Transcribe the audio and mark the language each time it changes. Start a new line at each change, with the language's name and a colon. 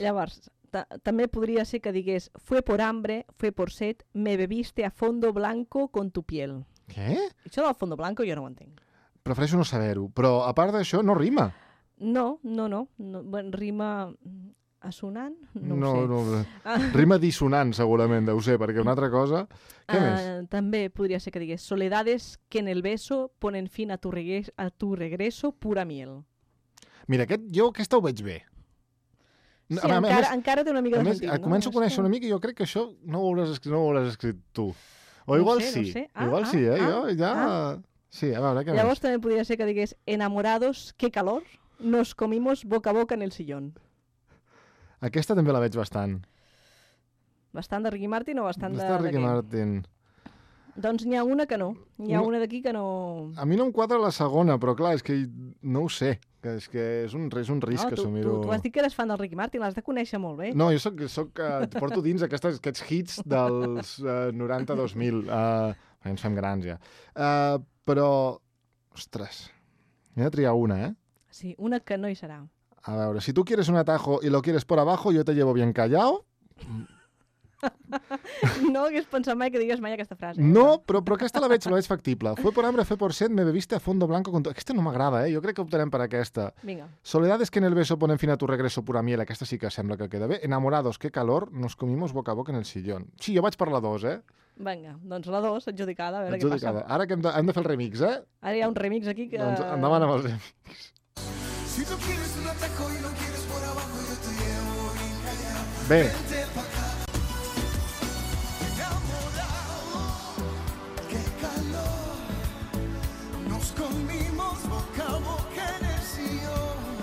Catalan: Llavors, també podria ser que digués
Spanish: fue por hambre, fue por sed, me bebiste a fondo blanco con tu piel.
Catalan: Què? Això del fondo blanco jo no ho entenc. Prefereixo no saber-ho, però a part d'això no rima. No. Rima... assonant? No ho sé. Rima dissonant, segurament, deu ser, perquè una altra cosa... Què més? També podria ser que digués
Spanish: soledades que en el beso ponen fin a tu regreso pura miel.
Catalan: Mira, jo aquesta ho veig bé. Sí, encara té una mica de sentit. Començo a conèixer una mica i jo crec que això no ho hauràs escrit tu. O igual sí. Igual sí, eh? Jo ja... Sí, a veure, què més? Llavors també podria ser que digués
Spanish: enamorados, qué calor, nos comimos boca a boca en el sillón.
Catalan: Aquesta també la veig bastant. Bastant de Ricky Martin o bastant de Ricky Martin? Doncs n'hi ha una que no. N'hi ha una d'aquí que no... A mi no em quadra la segona, però clar, és que no ho sé. És que és un risc assumir-ho. Tu has dit que eres fan del Ricky Martin, l'has de conèixer molt bé. No, jo soc porto dins aquests hits dels 90-2000. Ens fem grans, ja. Però, ostres, he de triar una, eh? Sí, una que no hi serà. A veure,
Spanish: si tú quieres un atajo y lo quieres por abajo, yo te llevo bien callado.
Catalan: No hagués pensat mai que digues mai aquesta frase. No, però aquesta la veig factible.
Spanish: Fue por hambre, fue por sed, me bebiste a fondo blanco con...
Catalan: Aquesta no m'agrada, eh? Jo crec que optarem per aquesta. Vinga.
Spanish: Soledades que en el beso ponen fin a tu regreso pura miel.
Catalan: Aquesta sí que sembla que queda bé.
Spanish: Enamorados, qué calor, nos comimos boca a boca en el sillón.
Catalan: Sí, jo vaig per la 2, eh? Vinga, doncs la 2, adjudicada, a veure adjudicada. Què passa. Ara que hem de fer el remix, eh? Ara hi ha un remix aquí que... Doncs endavant amb el remix.
Spanish: Si tú quieres un atajo y lo quieres por abajo, yo te llevo bien callao. Bé. Vente pa' acá. Que enamorado, que calor. Nos comimos boca a boca en el sillón.